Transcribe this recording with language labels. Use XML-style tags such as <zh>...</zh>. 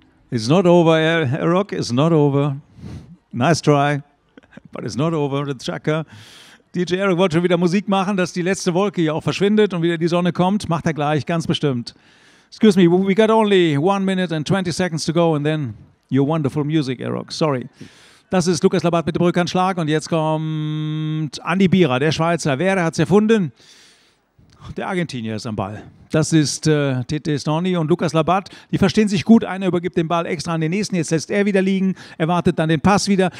<en>It's not over, Rock. It's not over. Nice try, but it's not over. The Chucker.</en> <de>DJ Eric wollte schon wieder Musik machen, dass die letzte Wolke hier auch verschwindet und wieder die Sonne kommt. Macht er gleich, ganz bestimmt.</de> <en>Excuse me, we got only 1:20 to go and then your wonderful music, Rock. Sorry.</en> <de>Das ist Lukas Labat mit dem Rückhandschlag und jetzt kommt Andy Bierer, der Schweizer. Wer hat es erfunden? Der Argentinier ist am Ball. Das ist Tete Storny und Lukas Labat. Die verstehen sich gut. Einer übergibt den Ball extra an den Nächsten. Jetzt lässt er wieder liegen. Er wartet dann den Pass wieder.</de>